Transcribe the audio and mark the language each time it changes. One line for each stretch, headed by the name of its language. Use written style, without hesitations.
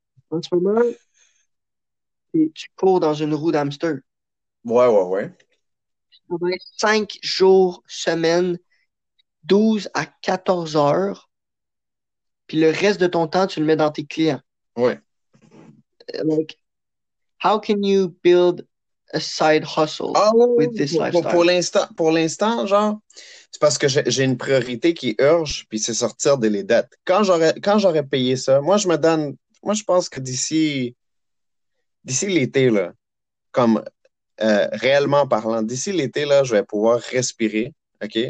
French: En ce moment, tu cours dans une roue d'hamster. Ouais. 5 jours semaine, 12 à 14 heures, puis le reste de ton temps, tu le mets dans tes clients.
English: Like, how can you build a side hustle with this
French: Pour
English: lifestyle?
French: l'instant, genre, c'est parce que j'ai une priorité qui urge, puis c'est sortir des dettes. Quand j'aurai payé ça, moi je pense que d'ici l'été, là, comme réellement parlant, d'ici l'été, là, je vais pouvoir respirer, OK?